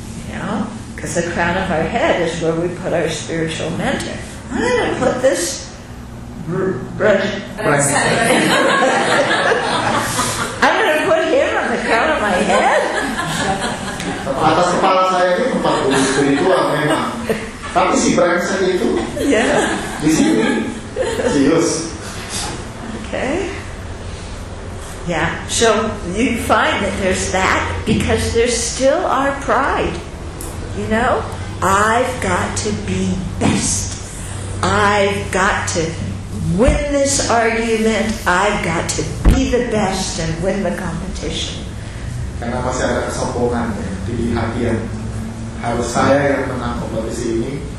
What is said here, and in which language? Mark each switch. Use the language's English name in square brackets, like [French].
[English] Yeah, because the crown of our head is where we put our spiritual mentor. I'm gonna put this brush. I'm gonna put him on the crown of my head. [Indonesian] Atas kepala saya itu tempat guru spiritual memang. Tapi si brengsek itu di sini, serius. [English] Okay. Yeah. So you find that there's that because there's still our pride. You know, I've got to be best. I've got to win this argument. I've got to be the best and win the competition. [Indonesian] Karena masih ada kesombongan di hati yang harus saya yang menang kompetisi ini.